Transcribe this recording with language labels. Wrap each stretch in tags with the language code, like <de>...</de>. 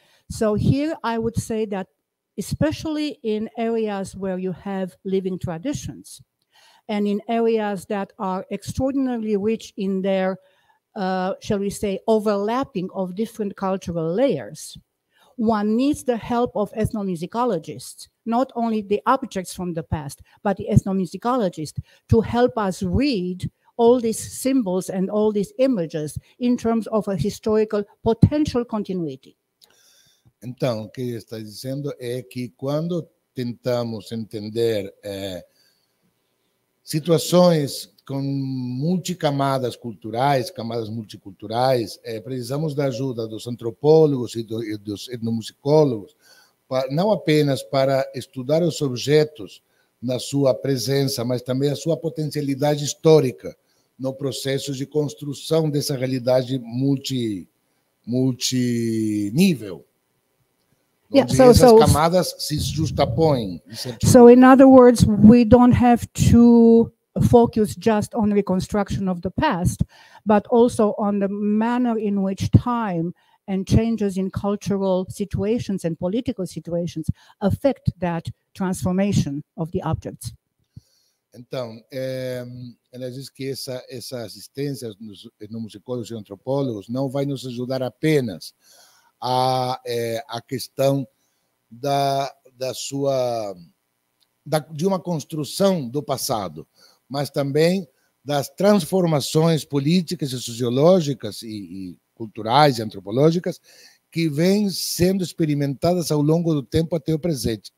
<en>So here I would say that especially in areas where you have living traditions and in areas that are extraordinarily rich in their, shall we say, overlapping of different cultural layers, one needs the help of ethnomusicologists, not only the objects from the past, but the ethnomusicologists to help us read all these symbols and all these images in terms of a historical potential continuity.</en> <pt>Então, o que ele está dizendo é que quando tentamos entender é, situações com multicamadas culturais, camadas multiculturais, é, precisamos da ajuda dos antropólogos e dos etnomusicólogos, não apenas para estudar os objetos na sua presença, mas também a sua potencialidade histórica no processo de construção dessa realidade multinível.</pt> <en>Yeah,</en> <pt>so camadas se justapõem.</pt> <en>So in other words, we don't have to focus just on reconstruction of the past, but also on the manner in which time and changes in cultural situations and political situations affect that transformation of the objects.</en> <pt>Então, é, ela diz que essa assistência nos musicólogos e antropólogos não vai nos ajudar apenas a questão da, da sua, da, de uma construção do passado, mas também das transformações políticas e sociológicas e culturais e antropológicas que vêm sendo experimentadas ao longo do tempo até o presente.</pt>